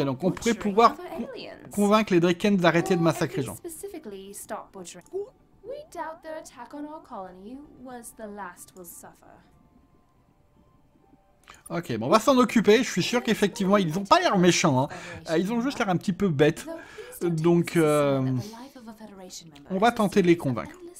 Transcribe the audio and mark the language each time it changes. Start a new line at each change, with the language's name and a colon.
French: Ok, donc on pourrait pouvoir convaincre les Draken d'arrêter de massacrer gens.
English: Specifically, stop butchering. We doubt their attack on our colony was the last we'll suffer.
French: Ok, bon, on va s'en occuper. Je suis sûr qu'effectivement, ils n'ont pas l'air méchants. Hein. Ils ont juste l'air un petit peu bêtes. Donc, on va tenter de les convaincre.